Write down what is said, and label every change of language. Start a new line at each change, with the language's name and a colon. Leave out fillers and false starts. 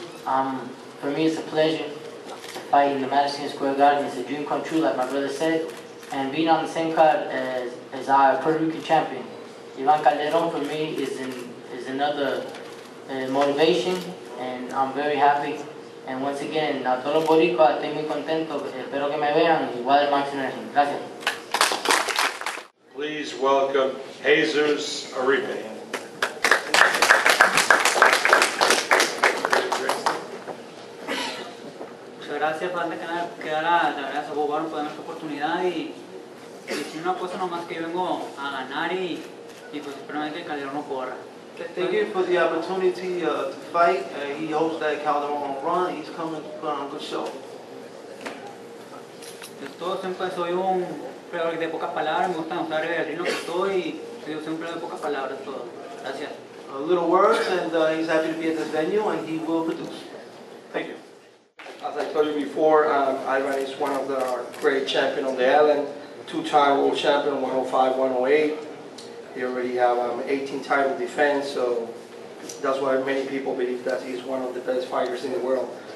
English: For me, it's a pleasure to fight in the Madison Square Garden. It's a dream come true, like my brother said. And being on the same card as our Puerto Rican champion, Iván Calderon, for me, is another motivation, and I'm very happy. And once again,
Spanish: a todos los boricuas, estoy muy contento. Espero que me vean y voy a dar máximo energía. Gracias.
English: Please welcome Jesus Iribe.
Spanish: Muchas gracias, antes que nada, le agradezco a Bob Arum por darme esta oportunidad y decir una cosa nomás, que yo vengo a ganar y pues espero que el Calderón no corra.
English: Thank you for the opportunity to fight. He hopes that Calderon won't run. He's coming to put on a good show.
Spanish: Yo siempre soy un peleador de pocas palabras. Me gusta mostrar el ritmo que estoy. Yo siempre de pocas palabras todo. Gracias.
English: A little words, and he's happy to be at this venue, and he will produce. Thank you. As I told you before, Ivan is one of the great champions on the island. Two-time world champion, 105-108. He already have 18 title defense, so that's why many people believe that he's one of the best fighters in the world.